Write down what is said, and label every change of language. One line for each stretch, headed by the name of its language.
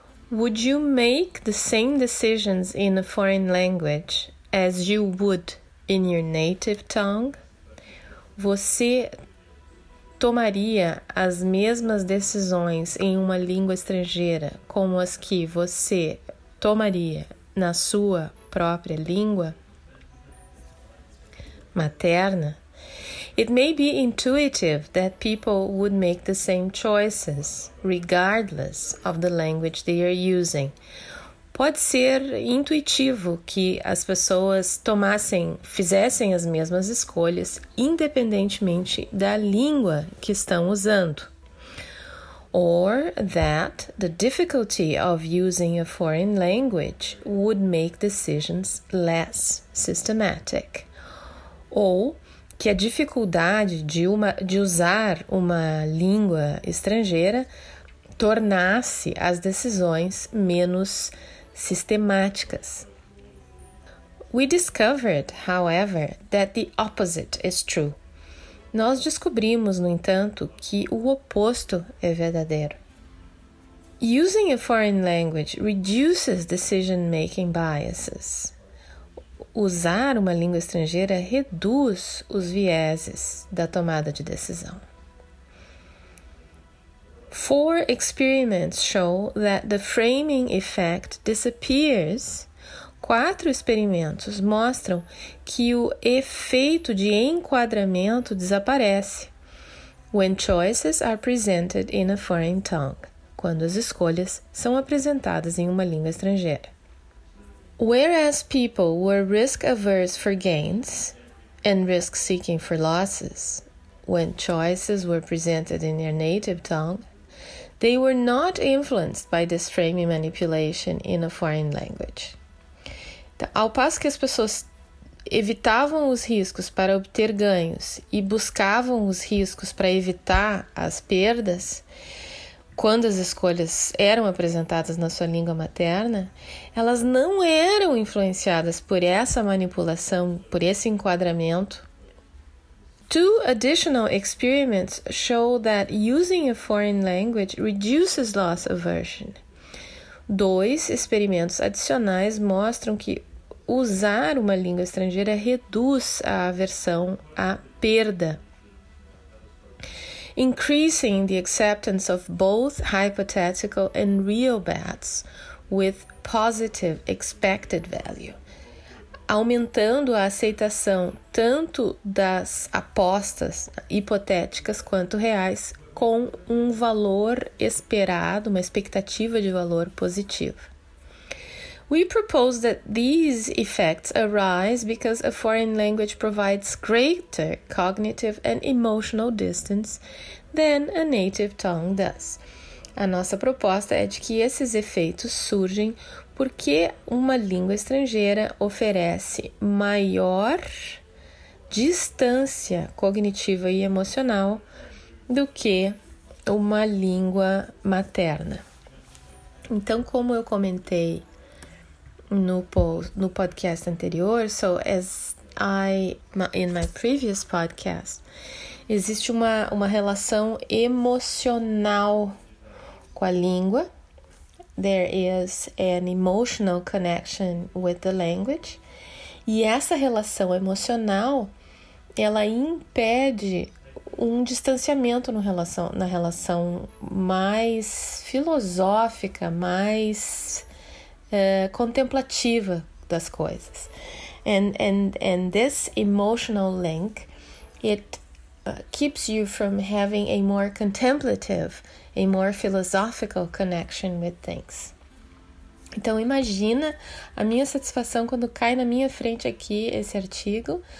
English: Would you make the same decisions in a foreign language as you would in your native tongue?
Portuguese: Você tomaria as mesmas decisões em uma língua estrangeira como as que você tomaria na sua própria língua materna?
English: It may be intuitive that people would make the same choices regardless of the language they are using.
Portuguese: Pode ser intuitivo que as pessoas fizessem as mesmas escolhas independentemente da língua que estão usando.
English: Or that the difficulty of using a foreign language would make decisions less systematic.
Portuguese: Ou que a dificuldade de usar uma língua estrangeira tornasse as decisões menos sistemáticas.
English: We discovered, however, that the opposite is true.
Portuguese: Nós descobrimos, no entanto, que o oposto é verdadeiro.
English: Using a foreign language reduces decision-making biases.
Portuguese: Usar uma língua estrangeira reduz os vieses da tomada de decisão.
English: Four experiments show that the framing effect disappears.
Portuguese: Quatro experimentos mostram que o efeito de enquadramento desaparece.
English: When choices are presented in a foreign tongue.
Portuguese: Quando as escolhas são apresentadas em uma língua estrangeira.
English: Whereas people were risk-averse for gains and risk-seeking for losses, when choices were presented in their native tongue, they were not influenced by this framing manipulation in a foreign language.
Portuguese: Ao passo que as pessoas evitavam os riscos para obter ganhos e buscavam os riscos para evitar as perdas, quando as escolhas eram apresentadas na sua língua materna, elas não eram influenciadas por essa manipulação, por esse enquadramento.
English: Two additional experiments show that using a foreign language reduces loss aversion.
Portuguese: Dois experimentos adicionais mostram que usar uma língua estrangeira reduz a aversão à perda.
English: Increasing the acceptance of both hypothetical and real bets with positive expected value.
Portuguese: Aumentando a aceitação tanto das apostas hipotéticas quanto reais com um valor esperado, uma expectativa de valor positiva.
English: We propose that these effects arise because a foreign language provides greater cognitive and emotional distance than a native tongue does.
Portuguese: A nossa proposta é de que esses efeitos surgem porque uma língua estrangeira oferece maior distância cognitiva e emocional do que uma língua materna. Então, como eu comentei no podcast anterior,
English: so as I in my previous podcast,
Portuguese: existe uma relação emocional com a língua.
English: There is an emotional connection with the language.
Portuguese: E essa relação emocional, ela impede um distanciamento na relação mais filosófica, mais contemplativa das coisas.
English: And this emotional link, it keeps you from having a more contemplative, a more philosophical connection with things.
Portuguese: Então imagina a minha satisfação quando cai na minha frente aqui esse artigo.